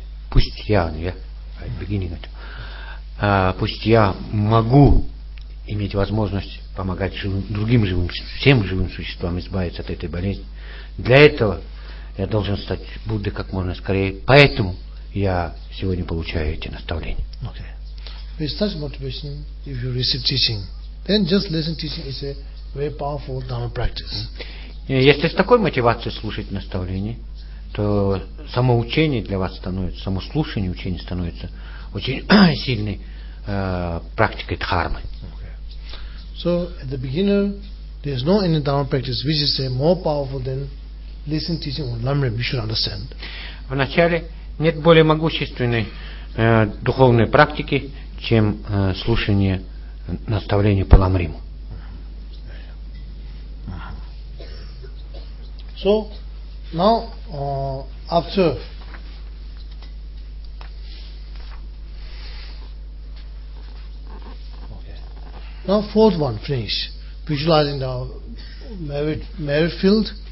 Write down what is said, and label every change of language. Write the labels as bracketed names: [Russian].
[Russian] Пусть я могу иметь возможность помогать всем живым существам избавиться от этой болезни. Для этого я должен стать Буддой как можно скорее. Поэтому я сегодня получаю эти наставления. [English] Okay. With such motivation, if you receive teaching, then just listen teaching is a very powerful dharma practice. [Russian] Если с такой мотивацией слушать наставления, то само учение для вас становится, само слушание учения становится очень сильной практикой дхармы. [English] Okay. So at the beginner, there is no any dharma practice which is more powerful than listening teaching or lamrim. You should understand. [Russian] Вначале нет более могущественной духовной практики, чем слушание наставления по ламриму. [English] So now after now fourth one finish visualizing the merit field.